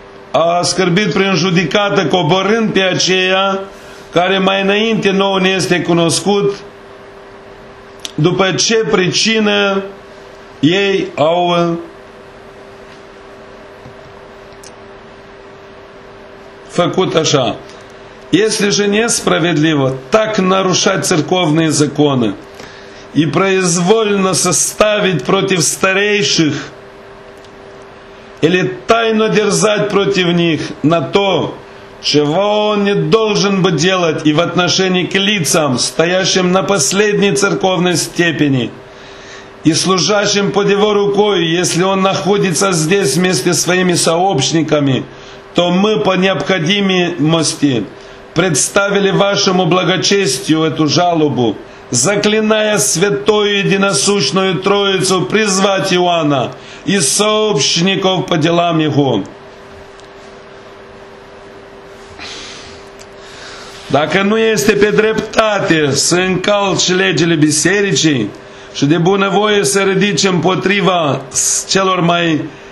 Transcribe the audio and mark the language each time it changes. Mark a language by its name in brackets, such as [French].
[Romanian] a scârbit prin judicată, coborând pe aceea care mai înainte nouă ne este cunoscut, după ce pricină ei au făcut așa. [Russian] Если же несправедливо так нарушать церковные законы и произвольно составить против старейших или тайно дерзать против них на то, чего он не должен бы делать и в отношении к лицам, стоящим на последней церковной степени и служащим под его рукой, если он находится здесь вместе с своими сообщниками, то мы по необходимости представили вашему благочестию эту жалобу, заклиная Святую Единосущную Троицу призвать Иоанна и сообщников по делам его. [Romanian] Dacă nu este pe dreptate să încalci legile bisericii și de bunăvoie să ridici împotriva celor mai